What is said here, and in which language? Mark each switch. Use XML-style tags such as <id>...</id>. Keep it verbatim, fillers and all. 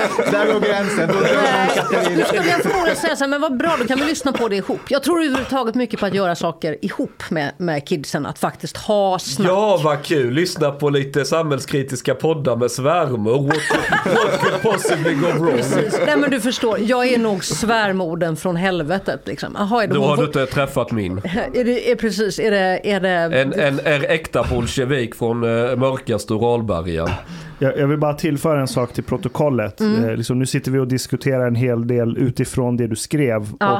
<sv>Där går gränsen. Nu skulle jag förmodligen säga så här, men vad bra, då kan vi lyssna på det ihop. Jag tror överhuvudtaget mycket på att göra saker ihop med, med kidsen. Att faktiskt ha snack. Ja, vad kul. Lyssna på lite samhällskritiska poddar med svärmor.</sv> <en>What, what could possibly go wrong?</en> <sv>Precis. Nej, men du förstår. Jag är nog svärmorden från helvetet. Liksom. Aha, är det då har du inte träffat min. Är det, är precis. Är det, är det... En, en är äkta bolsjevik från uh, mörka Storalbergen. Jag, jag vill bara tillföra en sak till protokollet. Mm. Eh, liksom, nu sitter vi och diskuterar en hel del utifrån det du skrev. Ja.</sv>